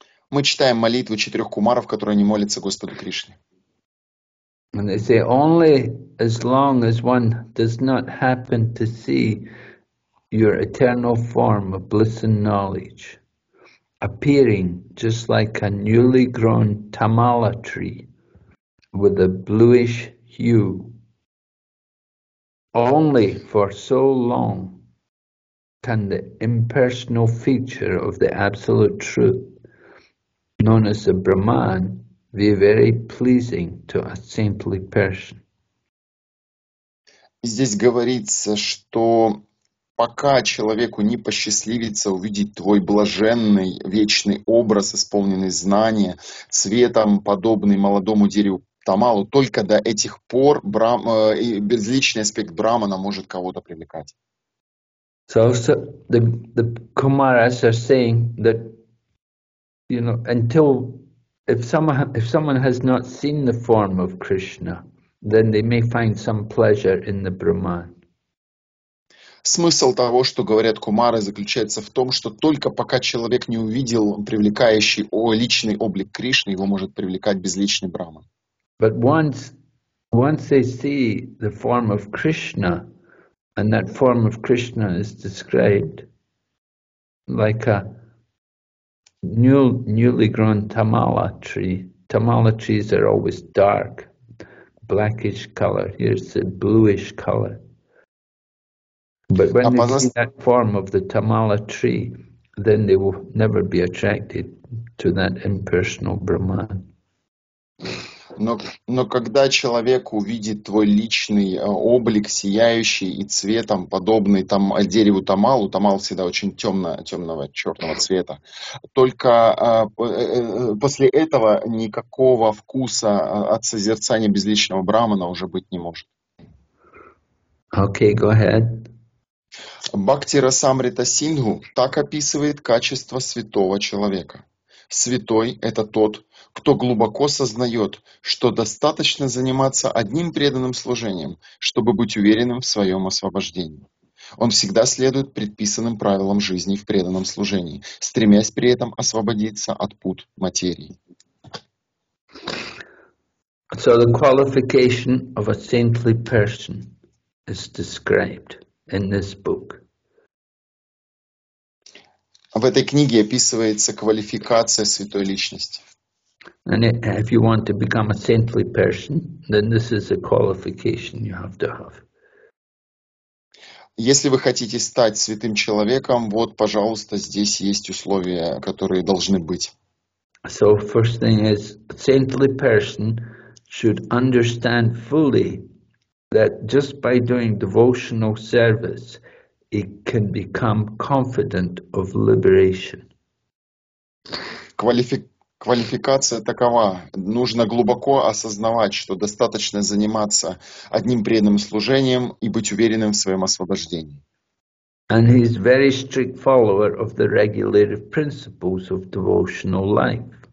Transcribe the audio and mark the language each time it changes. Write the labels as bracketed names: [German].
[Russian] Мы читаем молитвы четырех кумаров, которые не молятся Господу Кришне. [English] And they say only as long as one does not happen to see your eternal form of bliss and knowledge appearing just like a newly grown tamala tree with a bluish hue, only for so long can the impersonal feature of the absolute truth known as the Brahman be very pleasing to a saintly person. [Russian] Здесь говорится, что пока человеку не посчастливится увидеть твой блаженный вечный образ, исполненный знания, цветом подобный молодому дереву тамалу, только до этих пор безличный аспект Брахмана может кого-то привлекать. [English] So, so the Kumaras are saying that, you know, until if someone has not seen the form of Krishna, then they may find some pleasure in the Brahman. [Russian] Смысл того, что говорят кумары, заключается в том, что только пока человек не увидел привлекающий личный облик Кришны, его может привлекать безличный Брахман. [English] But once they see the form of Krishna, and that form of Krishna is described like a newly grown tamala tree. Tamala trees are always dark, blackish color. Here's a bluish color. But when they see that form of the tamala tree, then they will never be attracted to that impersonal Brahman. [Russian] Но когда человек увидит твой личный облик, сияющий и цветом, подобный там дереву тамалу, тамал всегда очень темного черного цвета, только после этого никакого вкуса от созерцания безличного Брахмана уже быть не может. [English] Okay, go ahead. [Russian] Бхакти Расамрита Сингху так описывает качество святого человека. Святой — это тот, кто глубоко сознает, что достаточно заниматься одним преданным служением, чтобы быть уверенным в своем освобождении. Он всегда следует предписанным правилам жизни в преданном служении, стремясь при этом освободиться от пут материи. [English] So the qualification of a saintly person is described in this book. [Russian] В этой книге описывается квалификация святой личности. [English] And if you want to become a saintly person, then this is a qualification you have to have. [Russian] Если вы хотите стать святым человеком, вот, пожалуйста, здесь есть условия, которые должны быть. [English] So first thing is, a saintly person should understand fully that just by doing devotional service, he can become confident of liberation. [Russian] Квалификация такова. Нужно глубоко осознавать, что достаточно заниматься одним преданным служением и быть уверенным в своем освобождении. [English] And he is a very strict follower of the regulative principles of devotional life.